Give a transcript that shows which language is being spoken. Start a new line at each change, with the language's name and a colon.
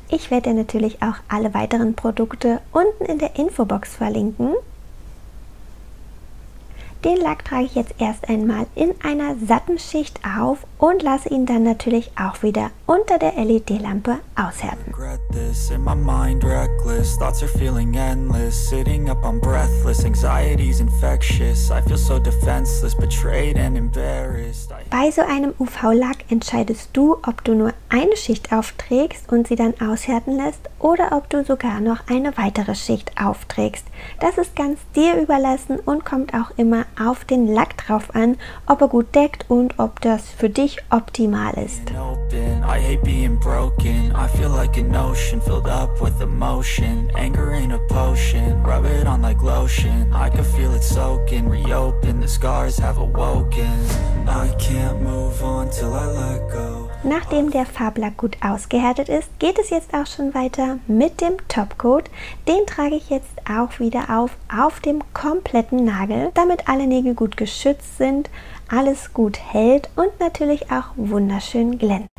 German: Ich werde dir natürlich auch alle weiteren Produkte unten in der Infobox verlinken. Den Lack trage ich jetzt erst einmal in einer satten Schicht auf und lasse ihn dann natürlich auch wieder unter der LED-Lampe aushärten.
English: This in my mind, reckless thoughts are feeling endless. Sitting up, I'm breathless. Anxiety's infectious. I feel so defenseless, betrayed and embarrassed.
German: Bei so einem UV-Lack entscheidest du, ob du nur eine Schicht aufträgst und sie dann aushärten lässt oder ob du sogar noch eine weitere Schicht aufträgst. Das ist ganz dir überlassen und kommt auch immer auf den Lack drauf an, ob er gut deckt und ob das für dich optimal ist.
English: I hate being broken. I feel like an ocean filled up with emotion. Anger ain't a potion. Rub it on like lotion. I can feel it soaking. Reopen. The scars have awoken. I can't move on till I let go.
German: Nachdem der Farblack gut ausgehärtet ist, geht es jetzt auch schon weiter mit dem Topcoat. Den trage ich jetzt auch wieder auf dem kompletten Nagel, damit alle Nägel gut geschützt sind, alles gut hält und natürlich auch wunderschön glänzt.